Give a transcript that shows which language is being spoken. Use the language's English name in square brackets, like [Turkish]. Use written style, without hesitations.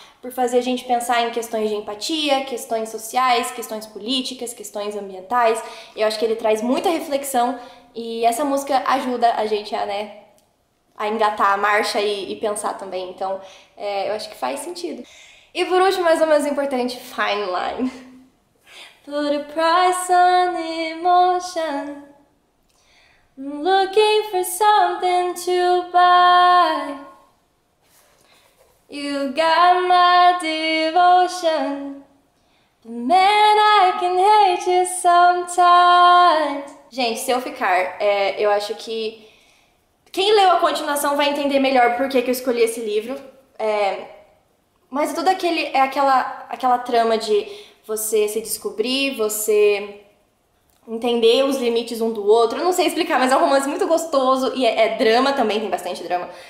[Portuguese] Por fazer a gente pensar em questões de empatia, questões sociais, questões políticas, questões ambientais. Eu acho que ele traz muita reflexão e essa música ajuda a gente a, né, a engatar a marcha e pensar também. Então, é, eu acho que faz sentido. E por último, mas não menos importante, Fine Line. [English] Put a price on emotion. Looking for something to buy. You got my devotion. Man, I can hate you sometimes. [Portuguese] Gente, se eu ficar, é, eu acho que quem leu a continuação vai entender melhor por que, que eu escolhi esse livro. É, mas tudo aquele, é aquela trama de você se descobrir, você entender os limites um do outro. Eu não sei explicar, mas é um romance muito gostoso e é drama também, tem bastante drama.